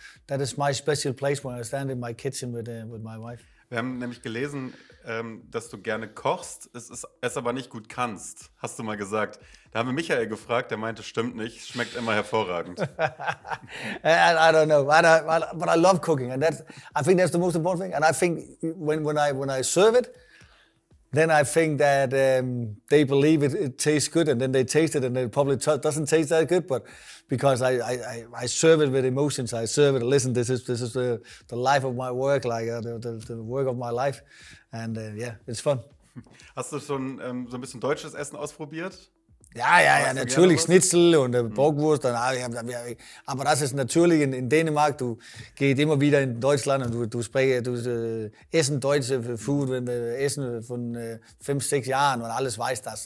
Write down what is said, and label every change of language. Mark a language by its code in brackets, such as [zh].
[en] But that is my special place when I stand in my kitchen with my wife. [de] Wir haben nämlich gelesen, dass du gerne kochst, es aber nicht gut kannst, hast du mal gesagt. Da haben wir Michael gefragt, der meinte, stimmt nicht, schmeckt immer hervorragend. [en] I don't know, but I love cooking, and I think that's the most important thing. And I think when I serve it, then I think that they believe it tastes good, and then they taste it, and it probably doesn't taste that good, but because I serve it with emotions, I serve it. Listen, this is the life of my work, like the work of my life, and yeah, it's fun. [de] Hast du schon so ein bisschen deutsches Essen ausprobiert? Ja, natürlich Schnitzel und Bockwurst. Aber das ist natürlich in Dänemark, du gehst immer wieder in Deutschland und du essen deutsche Food, essen von 5-6 Jahren und alles weiß das.